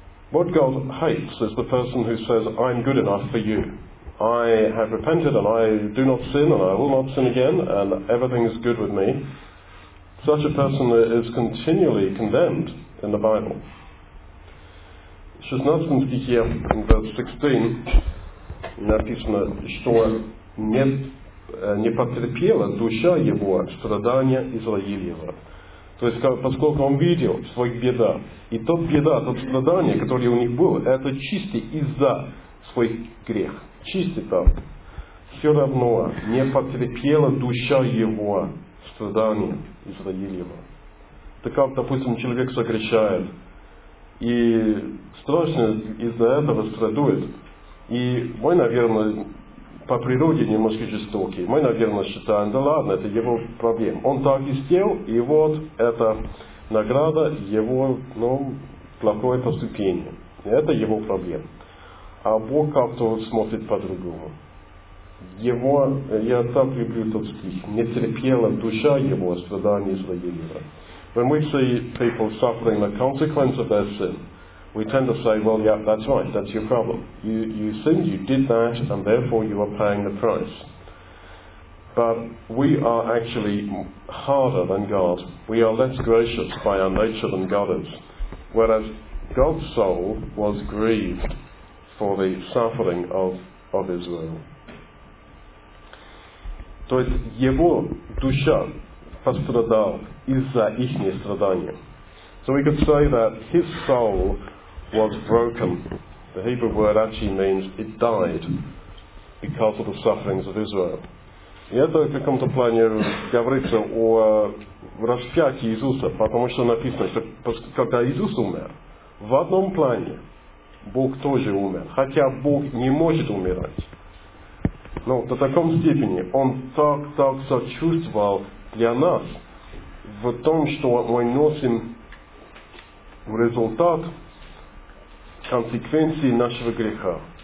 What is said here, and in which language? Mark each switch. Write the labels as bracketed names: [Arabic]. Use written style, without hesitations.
[English] What God hates is the person who says, I'm good enough for you. I have repented and I do not sin and I will not sin again and everything is good with me. Such a person is continually condemned in the Bible. [Russian] 16 стихе, [English] in verse 16, [Russian] написано, что не потерпела душа его страдания Израилева. То есть, поскольку он видел своих беда, и тот беда, тот страдание, которое у них было, это чистый из-за своих грех. Чистый там. все равно не потерпела душа его страдания из-за его. Так как, допустим, человек согрешает, и страшно из-за этого страдает. И мы, наверное, по природе немножко жестокие. Мы, наверное, считаем, да ладно, это его проблема. Он так и сделал, и вот это награда его, ну, плохое поступление. Это его проблема. А Бог как-то смотрит по-другому. Его, я так люблю тот стих, не терпела душа его страдания из-за его. [English] When we see people suffering the consequence of their sin, we tend to say, well, yeah, that's right, that's your problem. You sinned, you did that, and therefore you are paying the price. But we are actually harder than God. We are less gracious by our nature than God is. Whereas God's soul was grieved for the suffering of Israel. [Russian] То есть его душа пострадала из-за их страдания. [English] So we could say that his soul was broken. The Hebrew word actually means it died because of the sufferings of Israel. [Russian] И это в каком-то плане говорится о распятии Иисуса, потому что написано, что когда Иисус умер, в одном плане Бог тоже умер, хотя Бог не может умирать. Но до таком степени Он так сочувствовал для нас в том, что мы носим в результат консеквенции нашего греха.